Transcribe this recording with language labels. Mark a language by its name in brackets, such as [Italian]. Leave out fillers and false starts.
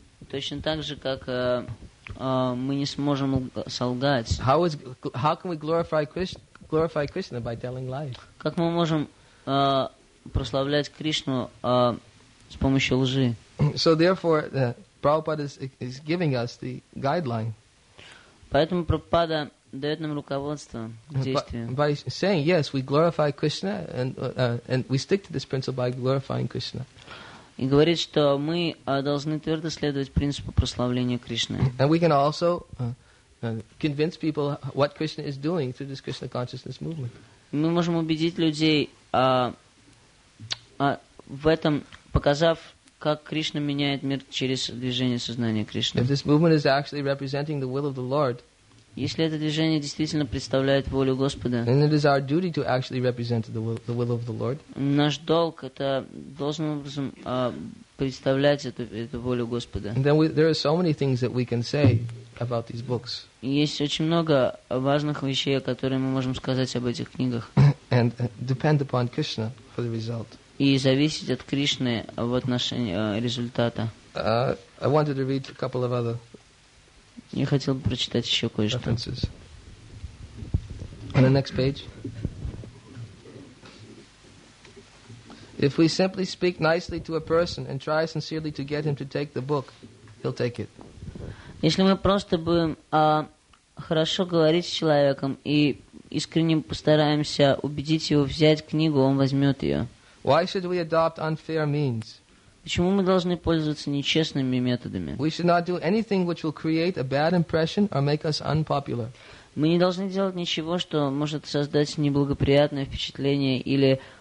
[Russian] Точно так же, как мы не сможем солгать. [English] How can we glorify Krishna by telling lies? [Russian] Как мы можем прославлять Кришну с помощью лжи? [English] So therefore, Prabhupada is giving us the guideline. [Russian] Поэтому Прабхупада дает нам руководство к действию. [English] By saying yes, we glorify Krishna and we stick to this principle by glorifying Krishna. [Russian] И говорит, что мы должны твердо следовать принципу прославления Кришны. [English] And we can also convince people what Krishna is doing through this Krishna consciousness movement. [Russian] Мы можем убедить людей в этом, показав, как Кришна меняет мир через движение сознания Кришны. [English] If this movement is actually representing the will of the Lord. [Russian] Если это движение действительно представляет волю Господа, [English] and it is our duty to actually represent the will of the Lord. [Russian] Наш долг это должным образом представлять эту волю Господа. [English] And then there are so many things that we can say about these books. [Russian] Есть очень много важных вещей, которые мы можем сказать об этих книгах. [English] And depend upon Krishna for the result. [Russian] И зависеть от Кришны в отношении результата. [English] I wanted to read a couple of other. [Russian] Я хотел бы прочитать еще кое-что. [English] On the next page. If we simply speak nicely to a person and try sincerely to get him to take the book, he'll take it. [Russian] Если мы просто будем хорошо говорить с человеком и искренне постараемся убедить его взять книгу, он возьмет ее. [English] Why should we adopt unfair means? [Russian] Почему мы должны пользоваться нечестными методами? [English] We should not do anything which will create a bad impression or make us unpopular. [Russian] Мы не должны делать ничего, что может создать неблагоприятное впечатление или